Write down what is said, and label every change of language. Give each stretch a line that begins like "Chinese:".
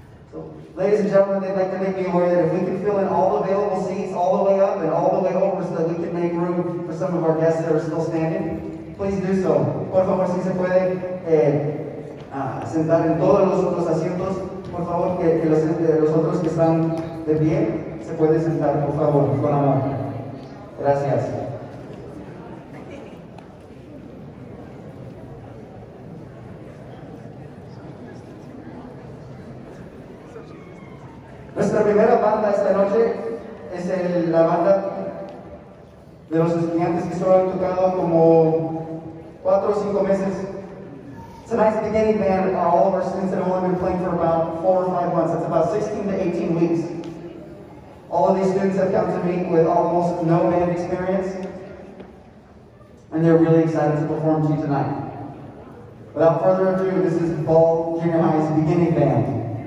English: So, ladies and gentlemen, they'd like to make me aware that if we can fill in all available seats all the way up and all the way over so that we can make room for some of our guests that are still standing, please do so.
Spanish: Por favor, si se puede sentar en todos los asientos, por favor, que los otros que están de pie se pueden sentar, por favor, con amor. Gracias. Nuestra primera banda esta noche es la banda de los estudiantes que solo han tocado como
English: 4 or 5 months. Tonight's beginning band are all of our students that have only been playing for about 4 or 5 months. That's about 16 to 18 weeks. All of these students have come to me with almost no band experience, and they're really excited to perform to you tonight. Without further ado, this is Ball Junior High's beginning band.